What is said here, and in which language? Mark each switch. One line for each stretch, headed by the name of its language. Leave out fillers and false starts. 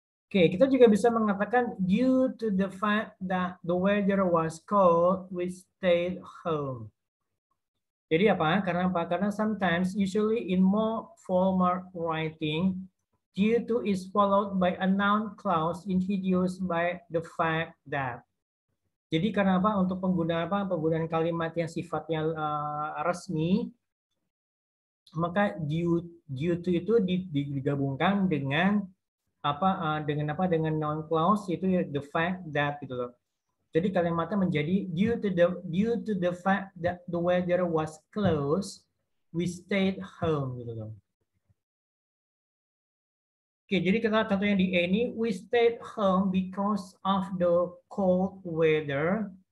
English: Oke, kita juga bisa mengatakan due to the fact that the weather was cold, we stayed home.
Indonesian: Jadi apa? Karena apa? Karena
English: sometimes, usually in more formal writing, due to is followed by a noun clause introduced by the fact that.
Indonesian: Jadi karena apa? Untuk penggunaan apa? Penggunaan kalimat yang sifatnya resmi, maka due to itu digabungkan dengan dengan noun clause itu
English: the fact that
Indonesian: gitu loh. Jadi kalimatnya menjadi
English: due to the fact that the weather was close, we stayed home
Indonesian: gitu loh. Oke, jadi kita contohnya di A ini,
English: we stayed home because of the cold weather.